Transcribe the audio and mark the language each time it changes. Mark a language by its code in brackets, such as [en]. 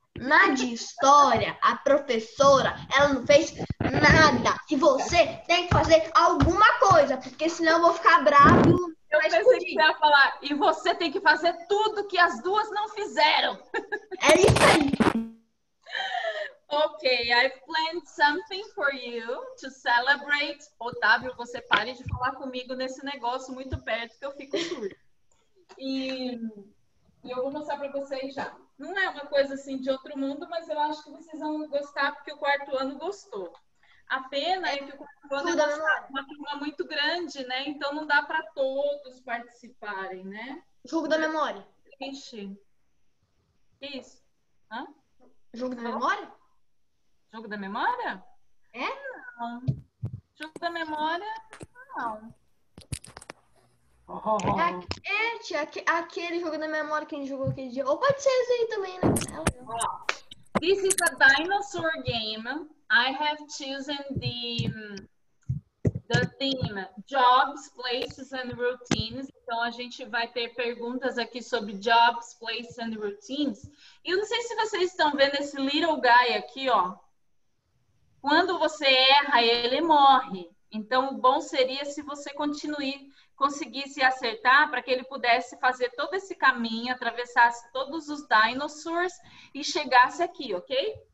[pt] Na de história, a professora, ela não fez nada. E você tem que fazer alguma coisa, porque senão eu vou ficar bravo e Eu vai pensei que explodir. você ia falar, e você tem que fazer tudo que as duas não fizeram. É isso aí. [en] Okay, I've planned something for you to celebrate. [pt] Otávio, você pare de falar comigo nesse negócio muito perto que eu fico surdo. E eu vou mostrar para vocês já. Não é uma coisa assim de outro mundo, mas eu acho que vocês vão gostar porque o quarto ano gostou. A pena é que o quarto ano é uma turma muito grande, né? Então não dá para todos participarem, né? Jogo da memória. Ixi. Isso. Hã? Jogo da memória? Jogo da memória? É? Não. Jogo da memória? Não. Oh. É, tia, aquele jogo da memória que a gente jogou aquele dia. Ou pode ser esse aí também, né? [en] This is a dinosaur game. I have chosen the theme jobs, places and routines. [pt] Então a gente vai ter perguntas aqui sobre [en] jobs, places and routines. [pt] E eu não sei se vocês estão vendo esse [en] little guy [pt] aqui, ó. Quando você erra, ele morre. Então o bom seria se você conseguisse acertar para que ele pudesse fazer todo esse caminho, atravessasse todos os dinosaurs e chegasse aqui, ok?